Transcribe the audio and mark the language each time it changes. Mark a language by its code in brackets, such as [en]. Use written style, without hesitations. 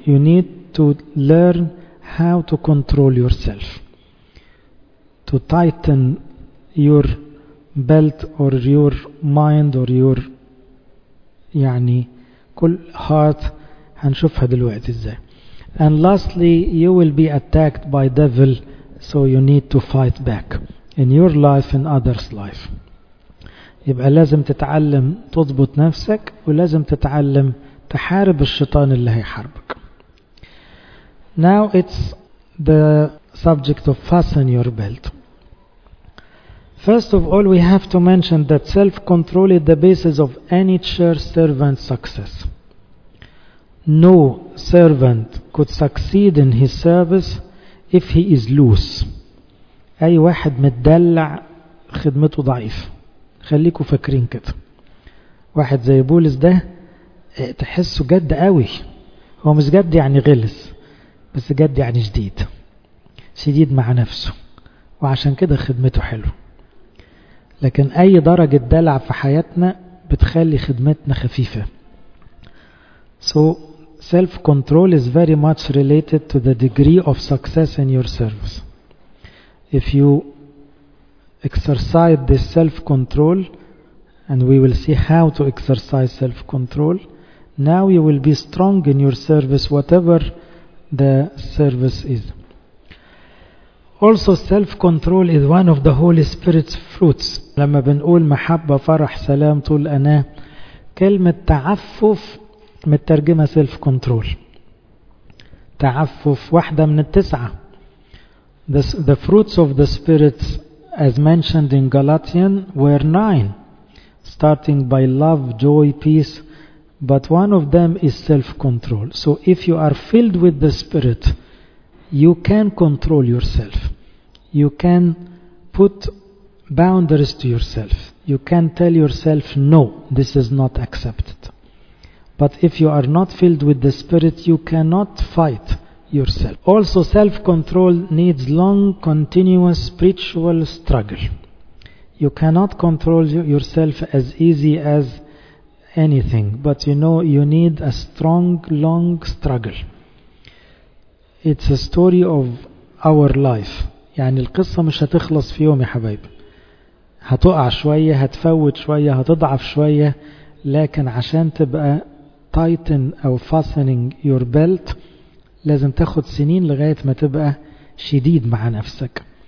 [en] You need to learn how to control yourself, to tighten your belt or your mind or your [ar] يعني كل [en] heart. [ar] هنشوفها دلوقتي ازاي. [en] And lastly, you will be attacked by devil, so you need to fight back in your life and others' life. [ar] يبقى لازم تتعلم تضبط نفسك ولازم تتعلم تحارب الشيطان اللي هيحاربك. [en] Now it's the subject of fasten your belt. First of all, we have to mention that self-control is the basis of any church servant's success. No servant could succeed in his service if he is loose. [ar] أي واحد متدلع خدمته ضعيف. خليكوا فاكرين كده. واحد زي بولس ده تحسه جد قوي. هو مش جد يعني غلس، بس جد يعني جديد. شديد مع نفسه. وعشان كده خدمته حلو. لكن أي درجة دلع في حياتنا بتخلي خدمتنا خفيفة. [en] So self-control is very much related to the degree of success in your service. If you exercise this self-control, and we will see how to exercise self-control, now you will be strong in your service whatever the service is. Also, self-control is one of the Holy Spirit's fruits. [ar] لما بنقول محبة فرح سلام طول أنا كلمة تعفف مترجمة self-control. تعفف واحدة من التسعة. [en] The fruits of the Spirit, as mentioned in Galatians, were nine, starting by love, joy, peace. But one of them is self-control. So if you are filled with the Spirit, you can control yourself. You can put boundaries to yourself. You can tell yourself, no, this is not accepted. But if you are not filled with the Spirit, you cannot fight yourself. Also, self-control needs long, continuous spiritual struggle. You cannot control yourself as easy as anything, but you know you need a strong, long struggle. It's a story of our life. [ar] يعني القصة مش هتخلص في يوم يا حبايب. هتقع شوية, هتفوت شوية, هتضعف شوية, لكن عشان تبقى tighten أو [en] fastening your belt [ar] لازم تاخد سنين لغاية ما تبقى شديد مع نفسك.